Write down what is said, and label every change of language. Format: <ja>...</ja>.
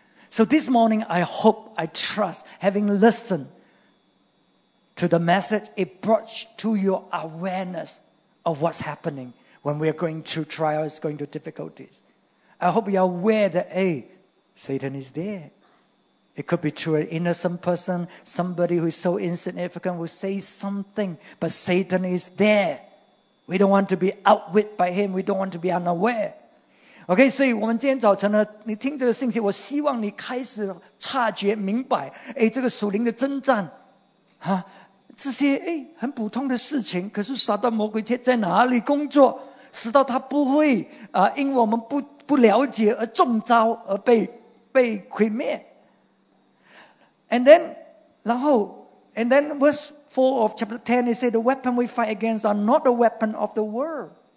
<en>So this morning, I hope, I trust, having listened to the message, it brought to your awareness of what's happening when we are going through trials, going through difficulties. I hope you are aware that, hey, Satan is there. It could be through an innocent person, somebody who is so insignificant will say something, but Satan is there. We don't want to be outwit by him. We don't want to be unaware.</en> <zh>Okay, 所以我们今天早晨呢，你听这个信息，我希望你开始察觉明白，哎，这个属灵的征战这些很普通的事情，可是撒旦魔鬼却在哪里工作，使到他不会因为我们不了解而中招而被毁灭。</zh> <en>And then verse 4 of chapter 10, it says the weapon we fight against are not the weapon of the world.</en>